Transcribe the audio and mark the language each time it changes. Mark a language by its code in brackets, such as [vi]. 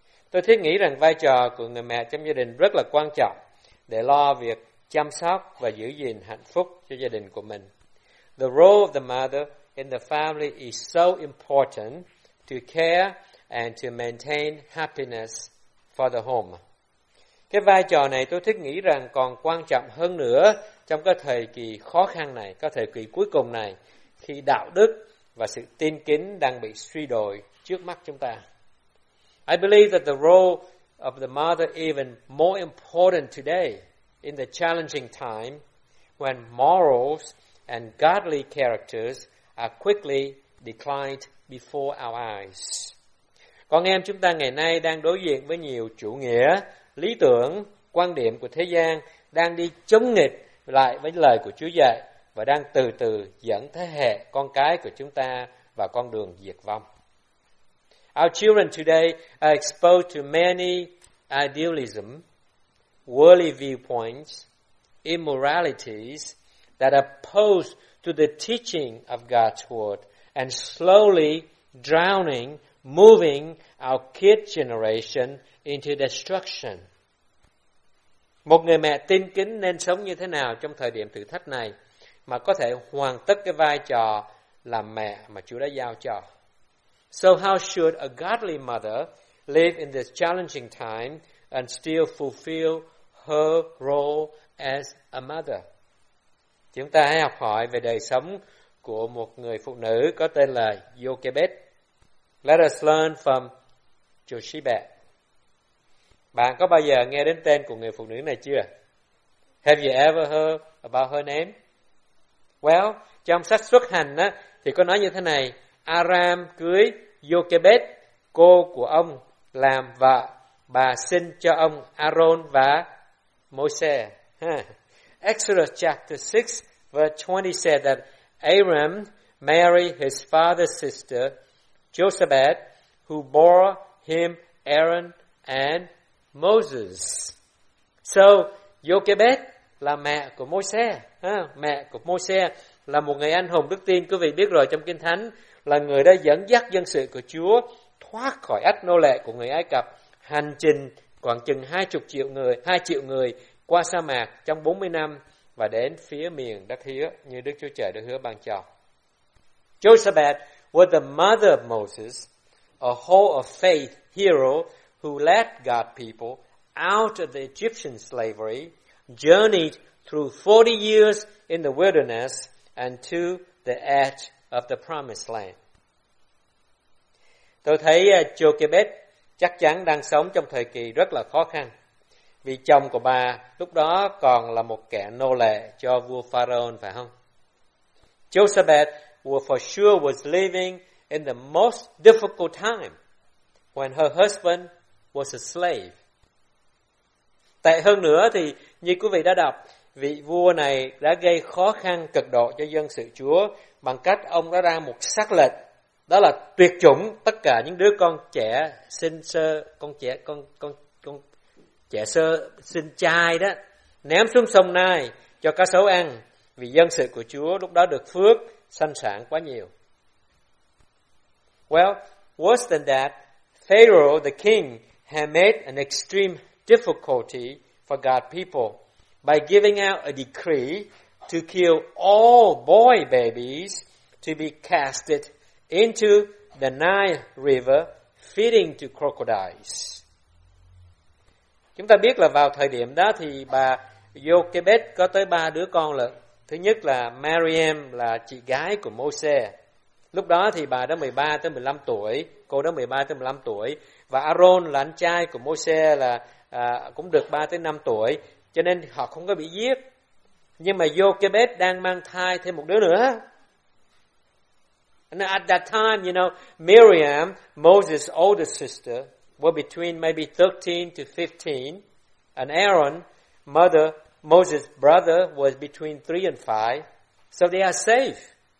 [vi] Tôi thiết nghĩ rằng vai trò của người mẹ trong gia đình rất là quan trọng để lo việc chăm sóc và giữ gìn hạnh phúc cho gia đình của mình. [en] The role of the mother in the family is so important to care and to maintain happiness for the home. [vi] Cái vai trò này tôi thiết nghĩ rằng còn quan trọng hơn nữa trong cái thời kỳ khó khăn này, cái thời kỳ cuối cùng này, khi đạo đức và sự tin kính đang bị suy đồi trước mắt chúng ta. [en] I believe that the role of the mother even more important today in the challenging time when morals and godly characters are quickly declined before our eyes. [vi] Con em chúng ta ngày nay đang đối diện với nhiều chủ nghĩa, lý tưởng, quan điểm của thế gian đang đi chống nghịch lại với lời của Chúa dạy và đang từ từ dẫn thế hệ con cái của chúng ta vào con đường diệt vong. [en] Our children today are exposed to many idealism, worldly viewpoints, immoralities that are opposed to the teaching of God's word and slowly drowning, moving our kid generation into destruction. [vi] Một người mẹ tin kính nên sống như thế nào trong thời điểm thử thách này mà có thể hoàn tất cái vai trò làm mẹ mà Chúa đã giao cho? [en] So how should a godly mother live in this challenging time and still fulfill her role as a mother? [vi] Chúng ta hãy học hỏi về đời sống của một người phụ nữ có tên là Jochebed. [en] Let us learn from Jochebed. [vi] Bạn có bao giờ nghe đến tên của người phụ nữ này chưa? [en] Have you ever heard about her name? Well, [vi] trong sách Xuất Hành á, thì có nói như thế này: Aram cưới Jochebed, cô của ông, làm vợ. Bà sinh cho ông Aaron và Moses. [en] Exodus chapter 6 verse 20 said that Aram married his father's sister, Jochebed, who bore him Aaron and Moses. [vi] So, Jochebed là mẹ của Moses. Mẹ của Moses là một người anh hùng đức tin, quý vị biết rồi trong Kinh Thánh, là người đã dẫn dắt dân sự của Chúa thoát khỏi ách nô lệ của người Ai Cập, hành trình khoảng chừng 2 triệu người qua sa mạc trong 40 năm và đến phía miền đất hứa như Đức Chúa Trời đã hứa ban cho. [en] Jochebed was the mother of Moses, a hall of faith hero who led God's people out of the Egyptian slavery, journeyed through 40 years in the wilderness and to the edge of the promised land. [vi] Tôi thấy Jochebed chắc chắn đang sống trong thời kỳ rất là khó khăn, vì chồng của bà lúc đó còn là một kẻ nô lệ cho vua Pharaoh, phải không? [en] Jochebed for sure was living in the most difficult time when her husband was a slave. [vi] Tệ hơn nữa thì như quý vị đã đọc, vị vua này đã gây khó khăn cực độ cho dân sự Chúa bằng cách ông đã ra một sắc lệnh Đó là tuyệt chủng tất cả những đứa con trẻ sinh sơ, con trẻ sơ sinh trai đó ném xuống sông Nai cho cá sấu ăn, vì dân sự của Chúa lúc đó được phước sanh sản quá nhiều. [en] Well, worse than that, Pharaoh the king had made an extreme difficulty for God's people by giving out a decree to kill all boy babies to be casted into the Nile River feeding to crocodiles. [vi] Chúng ta biết là vào thời điểm đó thì bà Jochebed có tới ba đứa con lận. Thứ nhất là Miriam là chị gái của Moses. Lúc đó thì bà đã 13 tới 15 tuổi, cô đã 13 tới 15 tuổi, và Aaron là anh trai của Moses là cũng được 3 tới 5 tuổi, cho nên họ không có bị giết. Nhưng mà Jochebed đang mang thai thêm một đứa nữa. [en] And at that time, you know, Miriam, Moses' older sister, were between maybe 13 to 15, and Aaron, mother, Moses' brother, was between 3 and 5, so they are safe.